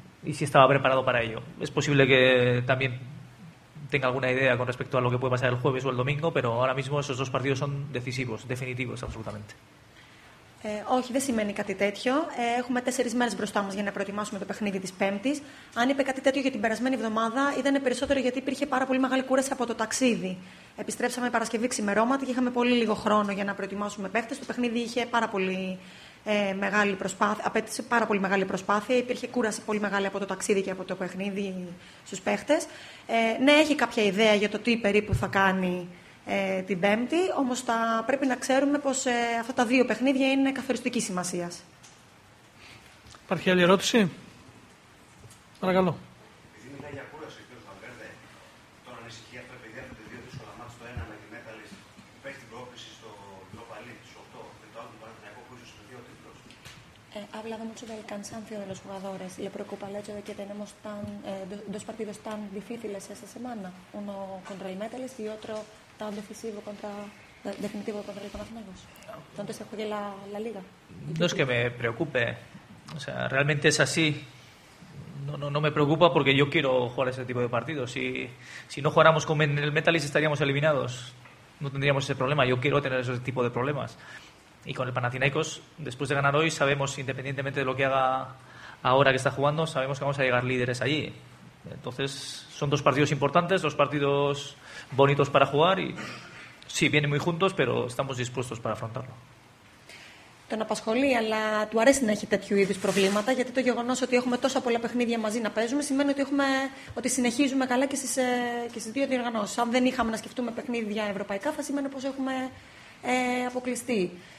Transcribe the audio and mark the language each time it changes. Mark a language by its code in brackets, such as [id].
[es] Y si estaba preparado para ello. Es posible que también tenga alguna idea con respecto a lo que puede pasar el jueves o el domingo, pero ahora mismo esos dos partidos son decisivos, definitivos, absolutamente. [el] Όχι, δεν σημαίνει κάτι τέτοιο. Έχουμε 4 μέρες μπροστά μας για να προετοιμάσουμε το παιχνίδι της Πέμπτης. Αν είπε κάτι τέτοιο για την περασμένη εβδομάδα, ήταν περισσότερο γιατί υπήρχε πάρα πολύ μεγάλη κούραση από το ταξίδι. Επιστρέψαμε Παρασκευή ξημερώματα και είχαμε πολύ λίγο χρόνο για να προετοιμάσουμε παίχτες. Το παιχνίδι είχε πάρα πολύ μεγάλη προσπάθεια, απέτυσε πάρα πολύ μεγάλη προσπάθεια. Υπήρχε κούραση πολύ μεγάλη από το ταξίδι και από το παιχνίδι στους παίχτες. Ναι, έχει κάποια ιδέα για το τι περίπου θα κάνει την Πέμπτη, όμως πρέπει να ξέρουμε πως αυτά τα δύο παιχνίδια είναι καθοριστική σημασία. Υπάρχει άλλη ερώτηση? Παρακαλώ. Επειδή μιλάει για κούραση ο κ. Βαλβέρδε, τον ανησυχεί αυτό επειδή έρχονται δύο δύσκολα μάτς, το ένα με τη Μέταλλις που παίζει την πρόκριση στο Europa League στις 8 και το άλλο τον Παναθηναϊκό που ίσως είναι δύο τίτλους. [es] Hablado mucho del cansancio de los jugadores. ¿Le preocupa el hecho de que tenemos dos partidos tan difíciles esta semana? Uno contra el Metalist y otro tan decisivo contra, definitivo contra el Panathinaikos. ¿Dónde se juegue la liga? No es que me preocupe. O sea, realmente es así. No me preocupa porque yo quiero jugar ese tipo de partidos. Si no jugáramos con el Metalist estaríamos eliminados. No tendríamos ese problema. Yo quiero tener ese tipo de problemas. Y con el Panathinaikos, después de ganar hoy, sabemos, independientemente de lo que haga ahora que está jugando, sabemos que vamos a llegar líderes allí. Entonces, son dos partidos importantes, dos partidos bonitos para jugar. Y sí, vienen muy juntos, pero estamos dispuestos para afrontarlo. [el] Τον απασχολεί, αλλά του αρέσει να έχει τέτοιου είδους προβλήματα, γιατί το γεγονός ότι έχουμε τόσα πολλά παιχνίδια μαζί να παίζουμε σημαίνει ότι συνεχίζουμε καλά και στις δύο διοργανώσεις. Αν δεν είχαμε να σκεφτούμε παιχνίδια ευρωπαϊκά, θα σημαίνει πως έχουμε αποκλειστεί.